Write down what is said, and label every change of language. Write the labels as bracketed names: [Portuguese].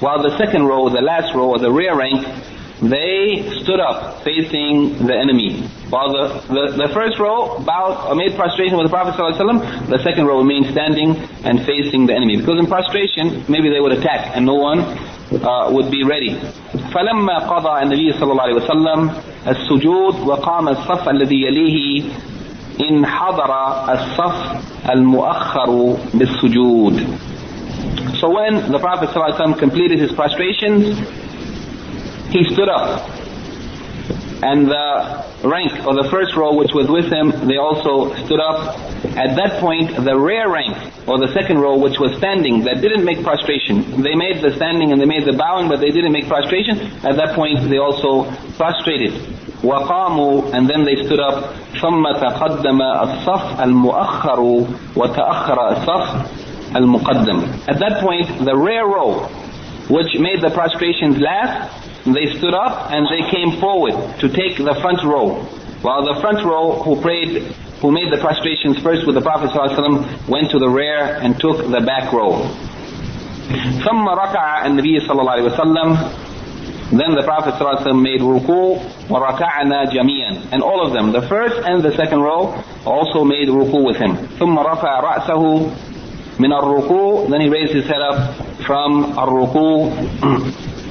[English] While the second row, the last row, or the rear rank, they stood up facing the enemy. While the first row bowed or made prostration with the Prophet sallallahu alaihi wasallam, the second row remained standing and facing the enemy. Because in prostration, maybe they would attack and no one would be ready. [Arabic] فلما قضى النبي صلى الله عليه وسلم السجود وقام الصف الذي يليه إن حضر الصف المؤخر بالسجود. [English] So when the Prophet صلى الله عليه وسلم completed his prostrations, he stood up, and the rank or the first row which was with him, they also stood up. At that point, the rear rank or the second row which was standing, that didn't make prostration, they made the standing and they made the bowing, but they didn't make prostration. At that point, they also prostrated. وقاموا, and then they stood up. [Arabic] ثم تقدم الصف المؤخر وتأخر الصف المقدم. [English] At that point, the rear row which made the prostrations last, they stood up and they came forward to take the front row. While the front row who prayed, who made the prostrations first with the Prophet ﷺ, went to the rear and took the back row. [Arabic] ثم ركع النبي صلى الله عليه وسلم. [English] Then the Prophet ﷺ made ruku [Arabic] wa raka'ana jamian. [English] And all of them, the first and the second row, also made ruku with him. [Arabic] ثم رفع رأسه من الركوع. [English] Then he raised his head up from الركوع.